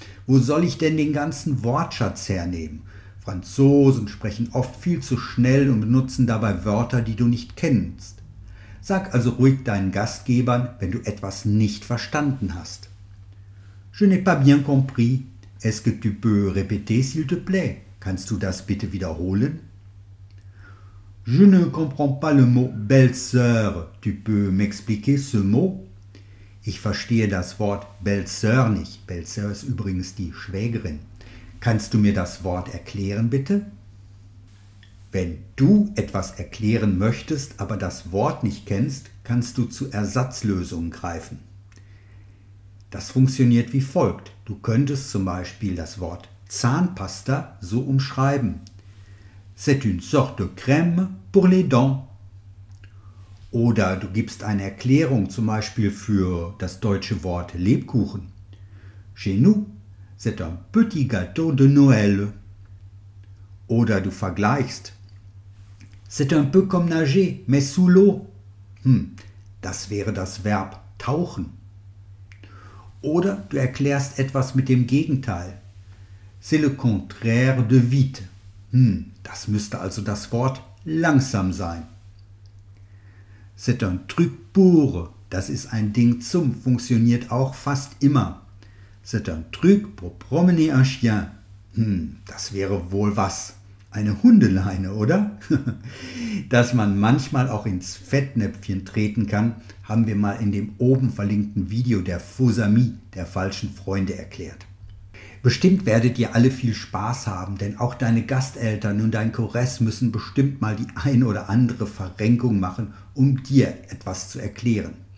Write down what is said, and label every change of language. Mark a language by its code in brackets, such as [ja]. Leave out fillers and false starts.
[de] Wo soll ich denn den ganzen Wortschatz hernehmen? Franzosen sprechen oft viel zu schnell und benutzen dabei Wörter, die du nicht kennst. Sag also ruhig deinen Gastgebern, wenn du etwas nicht verstanden hast: [fr] Je n'ai pas bien compris. Est-ce que tu peux répéter, s'il te plaît? [de] Kannst du das bitte wiederholen? [fr] Je ne comprends pas le mot belle-sœur. Tu peux m'expliquer ce mot? [de] Ich verstehe das Wort belle-sœur nicht. Belle-sœur ist übrigens die Schwägerin. Kannst du mir das Wort erklären, bitte? Wenn du etwas erklären möchtest, aber das Wort nicht kennst, kannst du zu Ersatzlösungen greifen. Das funktioniert wie folgt. Du könntest zum Beispiel das Wort Zahnpasta so umschreiben: [fr] C'est une sorte de crème pour les dents. [de] Oder du gibst eine Erklärung zum Beispiel für das deutsche Wort Lebkuchen: [fr] Chez nous, c'est un petit gâteau de Noël. [de] Oder du vergleichst: [fr] C'est un peu comme nager, mais sous l'eau. [de] Das wäre das Verb tauchen. Oder du erklärst etwas mit dem Gegenteil: [fr] C'est le contraire de vite. [de] Das müsste also das Wort langsam sein. [fr] C'est un truc pour. [de] Das ist ein Ding zum, funktioniert auch fast immer. [fr] C'est un truc pour promener un chien. [de] Das wäre wohl was. Eine Hundeleine, oder? Dass man manchmal auch ins Fettnäpfchen treten kann, haben wir mal in dem oben verlinkten Video der Faux Amis, der falschen Freunde, erklärt. Bestimmt werdet ihr alle viel Spaß haben, denn auch deine Gasteltern und dein Kores müssen bestimmt mal die ein oder andere Verrenkung machen, um dir etwas zu erklären.